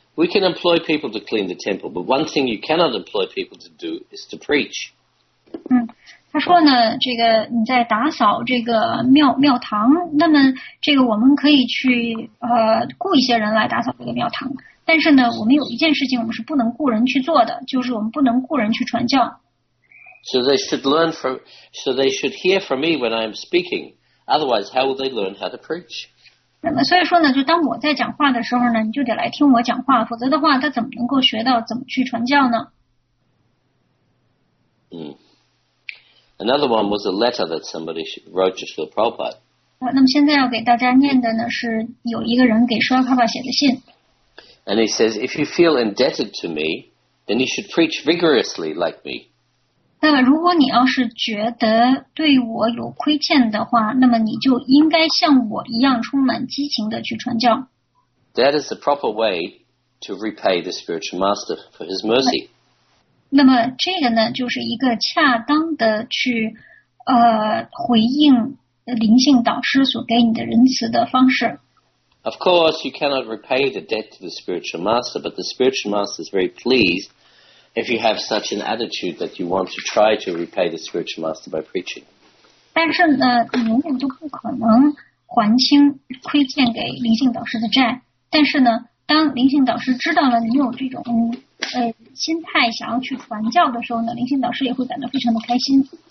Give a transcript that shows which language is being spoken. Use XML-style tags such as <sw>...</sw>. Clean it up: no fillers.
<en>We can employ people to clean the temple, but one thing you cannot employ people to do is to preach.</en> <zh>他说呢，这个你在打扫这个庙堂，那么这个我们可以去雇一些人来打扫这个庙堂，但是呢，我们有一件事情我们是不能雇人去做的，就是我们不能雇人去传教。</zh> <en>So they should hear from me when I'm speaking. Otherwise, how will they learn how to preach?</en> <zh>那么所以说呢，就当我在讲话的时候呢，你就得来听我讲话，否则的话，他怎么能够学到怎么去传教呢？</zh> <en>Another one was a letter that somebody wrote to Srila Prabhupada.</en> <zh>那么现在要给大家念的呢，是有一个人给 Srila Prabhupada 写的信。</zh> <en>And he says, if you feel indebted to me, then you should preach vigorously like me.</en> <zh>那么如果你要是觉得对我有亏欠的话，那么你就应该像我一样充满激情的去传教。</zh> <en>That is the proper way to repay the spiritual master for his mercy.</en> <zh>那么这个呢，就是一个恰当的去回应灵性导师所给你的仁慈的方式。</zh> <en>Of course, you cannot repay the debt to the spiritual master, but the spiritual master is very pleased if you have such an attitude that you want to try to repay the spiritual master by preaching.</en> <zh>但是呢，你永远都不可能还清亏欠给灵性导师的债。但是呢，当灵性导师知道了你有这种心态想要去传教的时候呢，灵性导师也会感到非常的开心。</zh>